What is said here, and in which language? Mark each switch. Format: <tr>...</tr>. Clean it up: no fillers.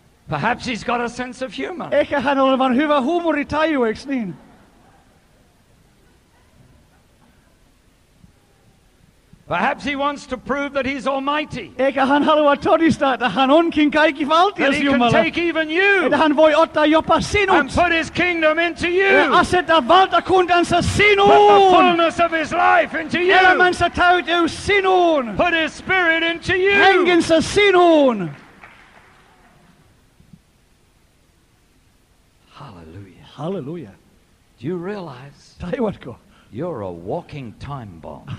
<en>Perhaps he's got a sense of humor.</en> <fi>Ehkä hän on vain hyvä huumoritaju, eikö niin?</fi> <en>Perhaps he wants to prove that he's almighty.</en> <fi>Ehkä hän haluaa todistaa, että hän onkin kaikki valtias Jumala.</fi> <en>That he can take even you.</en> <fi>Että hän voi ottaa jopa sinut.</fi> <en>And put his kingdom into you.</en> <fi>Ja asettaa valtakuntansa sinuun.</fi> <en>Put the fullness of his life into you.</en> <fi>Elämänsä täyteys sinuun.</fi> <en>Put his spirit into you.</en> <fi>Henkensä sinuun.</fi> <en>Hallelujah. Do you realize?</en> <fi>Taiwatko.</fi> <en>You're a walking time bomb.</en>